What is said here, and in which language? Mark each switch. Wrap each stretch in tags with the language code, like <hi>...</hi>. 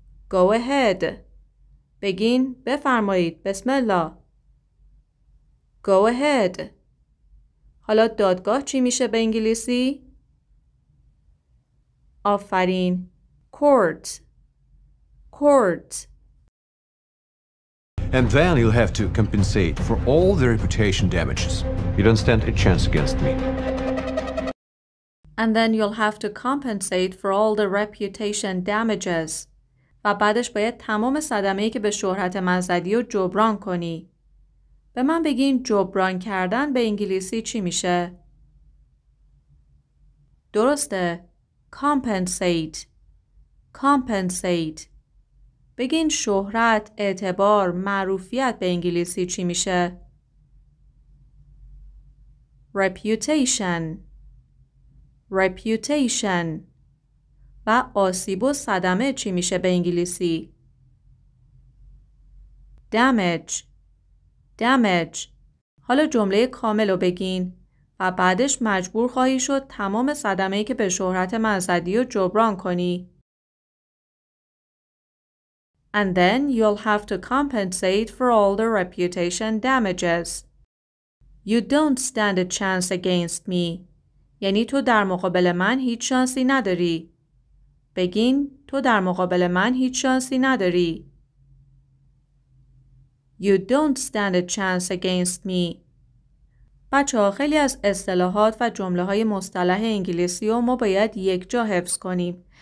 <en>Go ahead.</en> <fa>بگین بفرمایید. بسم الله.</fa> <en>Go ahead.</en> <fa>حالا دادگاه چی میشه به انگلیسی؟ آفرین.</fa> <en>Court. Court. And then you'll have to compensate for all the reputation damages. You don't stand a chance against me. And then you'll have to compensate for all the reputation damages.</en> <fa>و بعدش باید تمام صدمه‌ای که به شهرت من زدی رو جبران کنی. به من بگین جبران کردن به انگلیسی چی میشه؟ درسته.</fa> <en>Compensate. Compensate.</en> <fa>بگین شهرت، اعتبار، معروفیت به انگلیسی چی میشه؟ Reputation.</fa> <en>Reputation.</en> <fa>و آسیب و صدمه چی میشه به انگلیسی؟ Damage.</fa> <en>Damage.</en> <fa>حالا جمله کامل رو بگین و بعدش مجبور خواهی شد تمام صدمه‌ای که به شهرت من زدی رو جبران کنی.</fa> <en>and then you'll have to compensate for all the reputation damages. You don't stand a chance against me.</en> <fa>یعنی تو در مقابل من هیچ شانسی نداری. بگین تو در مقابل من هیچ شانسی نداری.</fa> <en>You don't stand a chance against me.</en> <fa>بچه‌ها خیلی از اصطلاحات و جمله‌های مصطلح انگلیسی رو ما باید یک جا حفظ کنیم.</fa>